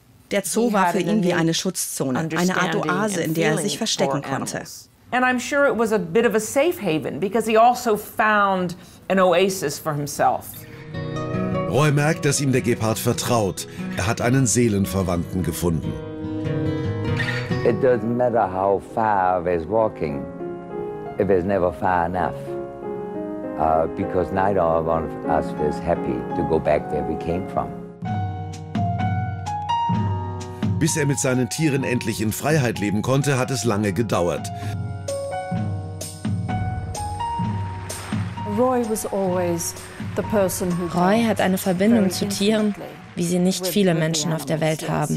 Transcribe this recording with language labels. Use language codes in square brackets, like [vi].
[de] Der Zoo war für ihn wie eine Schutzzone, eine Art Oase, in der er sich verstecken konnte. [en] And I'm sure it was a bit of a safe haven because he also found an oasis for himself. [de] Roy merkt, dass ihm der Gepard vertraut. Er hat einen Seelenverwandten gefunden. [en] It doesn't matter how far he's walking, if he's never far enough. Because neither one of us is happy to go back where we came from. [de] Bis er mit seinen Tieren endlich in Freiheit leben konnte, hat es lange gedauert. Roy hat eine Verbindung zu Tieren, wie sie nicht viele Menschen auf der Welt haben.